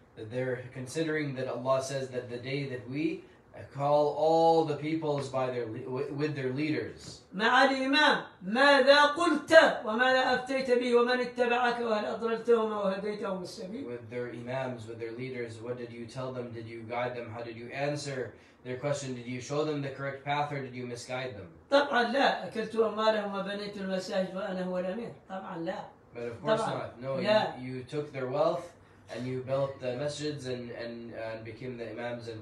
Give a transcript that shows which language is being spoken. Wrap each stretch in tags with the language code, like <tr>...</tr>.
<en>They're considering that Allah says that the day that we I call all the peoples by their with their leaders.</en> <ar>مع الإمام ماذا قلت وماذا أفتيت به ومن اتبعك وهل أضللتهم أو هديتهم السبيل.</ar> <en>With their imams, with their leaders, what did you tell them? Did you guide them? How did you answer their question? Did you show them the correct path or did you misguide them?</en> <ar>طبعا لا أكلت أموالهم وبنيت المساجد وأنا هو الأمير. طبعا لا.</ar> <en>But of course not. No, you took their wealth. And you built the masjids and became the imams and</en>